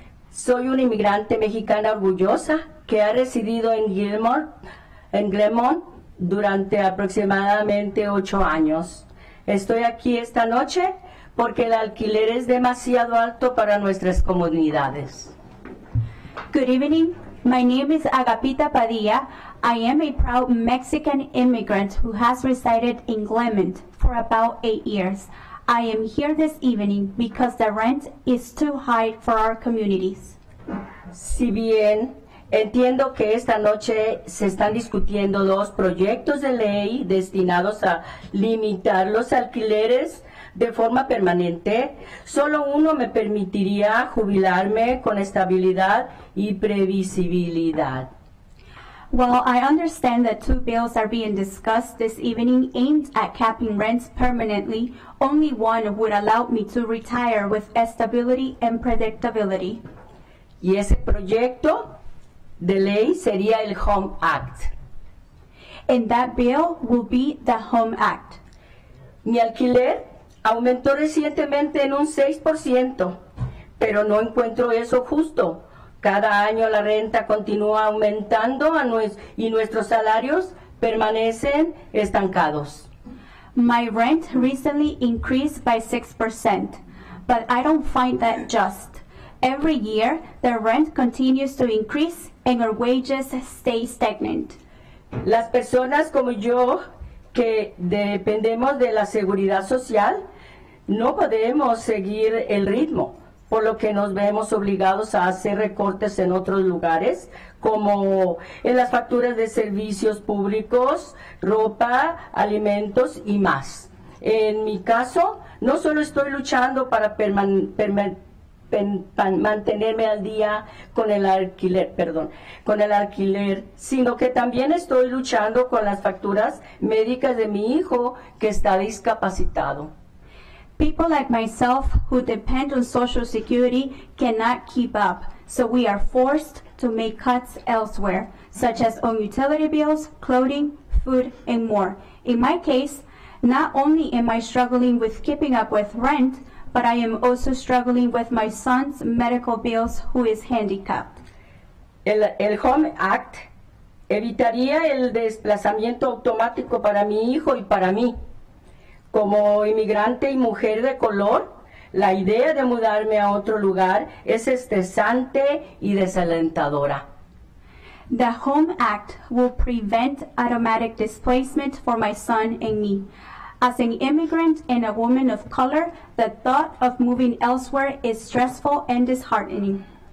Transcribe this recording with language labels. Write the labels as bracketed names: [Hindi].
[Spanish] Soy una inmigrante mexicana orgullosa que ha residido en Glenmont durante aproximadamente 8 años. Estoy aquí esta noche porque el alquiler es demasiado alto para nuestras comunidades. [English] Good evening. My name is Agapita Padilla. I am a proud Mexican immigrant who has resided in Glenmont for about 8 years. I am here this evening because the rent is too high for our communities. [Spanish] Si bien entiendo que esta noche se están discutiendo dos proyectos de ley destinados a limitar los alquileres de forma permanente, solo uno me permitiría jubilarme con estabilidad y previsibilidad. [English] Well, I understand that two bills are being discussed this evening aimed at capping rents permanently. Only one would allow me to retire with stability and predictability. [Spanish] Y ese proyecto de ley sería el Home Act. [English] And that bill will be the Home Act. [Spanish] Mi alquiler aumentó recientemente en un 6%, pero no encuentro eso justo. Cada año la renta continúa aumentando y nuestros salarios permanecen estancados. [English] My rent recently increased by 6%, but I don't find that just. Every year, the rent continues to increase and our wages stay stagnant. [Spanish] Las personas como yo, que dependemos de la seguridad social, no podemos seguir el ritmo, por lo que nos vemos obligados a hacer recortes en otros lugares, como en las facturas de servicios públicos, ropa, alimentos y más. En mi caso, no solo estoy luchando para mantenerme al día con el alquiler, sino que también estoy luchando con las facturas médicas de mi hijo que está discapacitado. [English] People like myself who depend on Social Security cannot keep up, so we are forced to make cuts elsewhere, such as on utility bills, clothing, food, and more. In my case, not only am I struggling with keeping up with rent, but I am also struggling with my son's medical bills, who is handicapped. [Spanish] El Home Act evitaría el desplazamiento automático para mi hijo y para mí. Como inmigrante y mujer de color, la idea de mudarme a otro lugar es estresante y desalentadora. [English] The Home Act will prevent automatic displacement for my son and me. As an immigrant and a woman of color, the thought of moving elsewhere is stressful and disheartening.